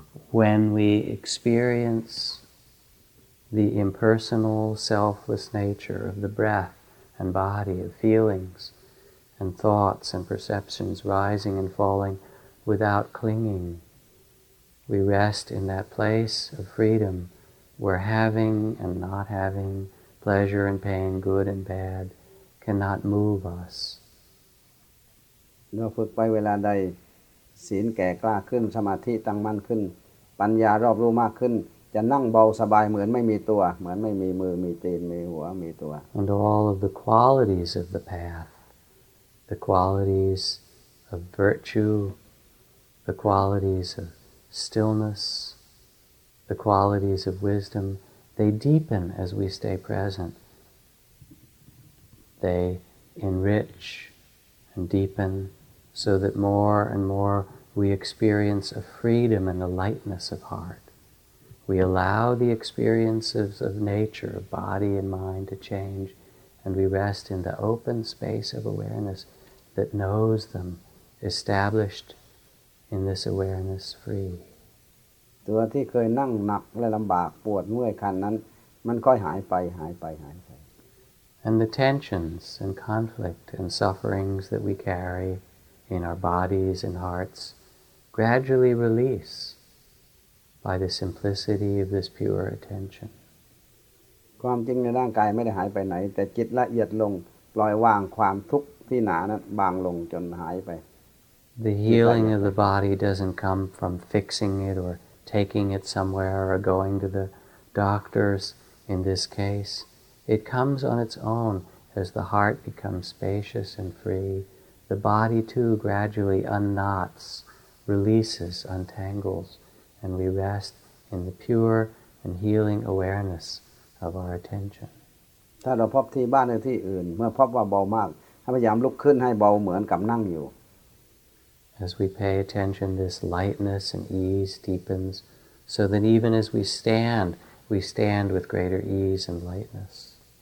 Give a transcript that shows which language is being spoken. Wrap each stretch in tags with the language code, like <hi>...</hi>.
<en>When we experience the impersonal, selfless nature of the breath and body, of feelings and thoughts and perceptions rising and falling without clinging, we rest in that place of freedom. Where having and not having, pleasure and pain, good and bad, cannot move us.</en> <th>เราฝึกไปเวลาใดศีลแก่กล้าขึ้นสมาธิตั้งมั่นขึ้นปัญญารอบรู้มากขึ้นจะนั่งเบาสบายเหมือนไม่มีตัวเหมือนไม่มีมือมีตีนมีหัวมีตัว</th> <en>And all of the qualities of the path, the qualities of virtue, the qualities of stillness,The qualities of wisdom, they deepen as we stay present. They enrich and deepen so that more and more we experience a freedom and a lightness of heart. We allow the experiences of nature, of body and mind, to change, and we rest in the open space of awareness that knows them, established in this awareness free.</en> <th>ตัวที่เคยนั่งหนักและลำบากปวดเมื่อยคันนั้นมันค่อยหายไปหายไปหายไป</th> <en>And the tensions and conflict and sufferings that we carry in our bodies and hearts gradually release by the simplicity of this pure attention</en> <th>ความจริงในร่างกายไม่ได้หายไปไหนแต่จิตละเอียดลงปล่อยวางความทุกข์ที่หนานั้นบางลงจนหายไป</th> <en>The healing of the body doesn't come from fixing it orTaking it somewhere or going to the doctors in this case, it comes on its own as the heart becomes spacious and free. The body too gradually unknots, releases, untangles, and we rest in the pure and healing awareness of our attention.</en> <th>ถ้าเราพบที่บ้านหรือที่อื่นเมื่อพบว่าเบามากให้พยายามลุกขึ้นให้เบาเหมือนกับนั่งอยู่</th> <en>As we pay attention, this lightness and ease deepens, so that even as we stand with greater ease and lightness.</en>